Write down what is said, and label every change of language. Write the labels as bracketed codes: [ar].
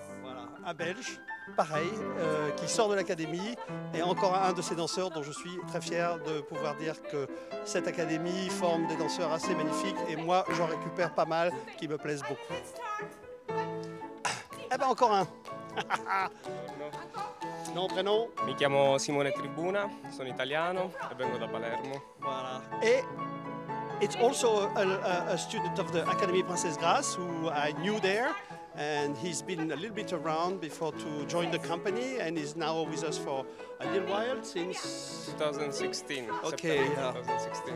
[fr] Voilà, un Belge, pareil, qui sort de l'Académie, et encore un de ces danseurs dont je suis très fier de pouvoir dire que cette Académie forme des danseurs assez magnifiques, et moi, j'en récupère pas mal, qui me plaisent beaucoup. Eh ben, encore un. Nom, prénom. [it] Mi chiamo Simone Tribuna, sono italiano, e vengo da Palermo. [fr] Voilà. [en] Et it's also a student of the Académie Princesse Grasse, who I knew there, and he's been a little bit around before to join the company, and is now with us for a little while, since 2016. Okay, yeah. 2016.